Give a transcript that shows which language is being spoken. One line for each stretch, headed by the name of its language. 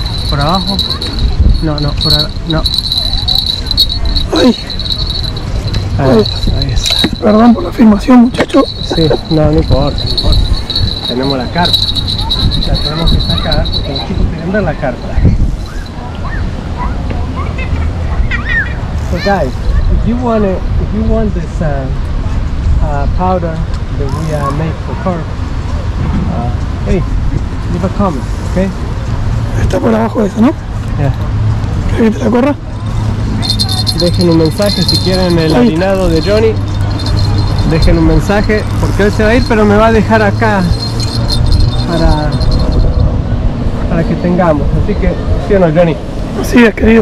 Spanish: ¿Por abajo? No, por abajo. No. ¡Ay! Ahí está, ahí está. Perdón por la filmación, muchacho. Sí, no importa. Tenemos la carpa. La tenemos que sacar porque los chicos quieren ver la carpa.
English: So guys, if you want this powder that we make for carp, hey, leave a comment, okay?
Spanish: Está por abajo eso, ¿no?
English: Yeah.
Spanish: ¿Quieres que te la corra? Dejen un mensaje si quieren el harinado de Johnny. Dejen un mensaje, porque él se va a ir, pero me va a dejar acá para que tengamos. Así que, ¿sí o no, Johnny? Así es, querido.